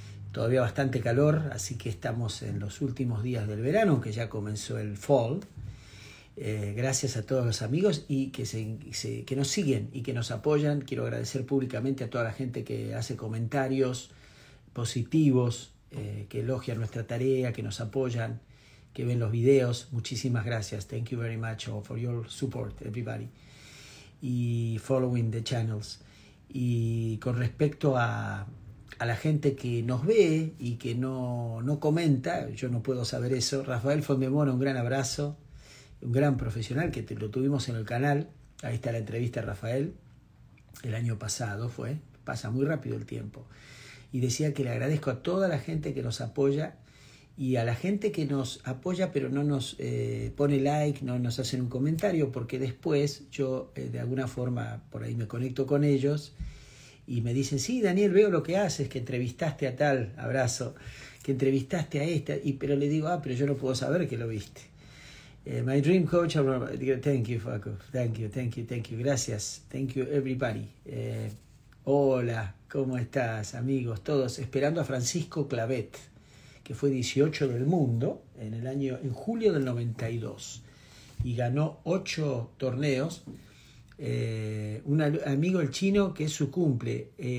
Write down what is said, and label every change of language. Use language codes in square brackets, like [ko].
[es] Todavía bastante calor, así que estamos en los últimos días del verano, que ya comenzó el fall. Gracias a todos los amigos y que nos siguen y que nos apoyan. Quiero agradecer públicamente a toda la gente que hace comentarios positivos, que elogian nuestra tarea, que nos apoyan, que ven los videos. Muchísimas gracias. [en] Thank you very much for your support, everybody. Y following the channels. [es] Y con respecto a la gente que nos ve y que no comenta, yo no puedo saber eso. Rafael Fondemona, un gran abrazo. Un gran profesional que lo tuvimos en el canal. Ahí está la entrevista a Rafael. El año pasado fue. Pasa muy rápido el tiempo. Y decía que le agradezco a toda la gente que nos apoya. Y a la gente que nos apoya pero no nos pone like, no nos hacen un comentario, porque después yo de alguna forma por ahí me conecto con ellos y me dicen, sí, Daniel, veo lo que haces, que entrevistaste a tal, abrazo, que entrevistaste a esta, y pero le digo, ah, pero yo no puedo saber que lo viste. [en] My dream coach, thank you, Faco, thank you, thank you, thank you, gracias, thank you everybody. [es] Hola, ¿cómo estás, amigos? Todos esperando a Francisco Clavet, que fue 18 del mundo en el año, en julio del 92, y ganó 8 torneos. Un amigo, el chino, que es su cumple.